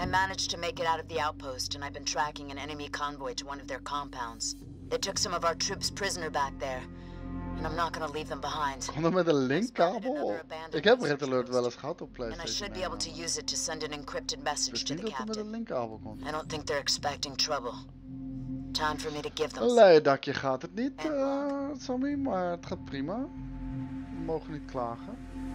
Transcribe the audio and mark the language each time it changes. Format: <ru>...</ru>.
<en>I managed to make it out of the outpost, and I've been tracking an enemy convoy to one of their compounds. They took some of our troops prisoner back there, and I'm not gonna leave them behind.</en> <nl>Kom dan met een linkkabel? Ik heb Red Alert wel eens gehad op PlayStation.</nl> <en>And I should be able to use it to send an encrypted message to the captain.</en> <nl>Met een linkkabel komt.</nl> <en>I don't think they're expecting trouble. Time for me to give them.</en> <nl>Een leien dakje gaat het niet, Sammy, maar het gaat prima. We mogen niet klagen.</nl>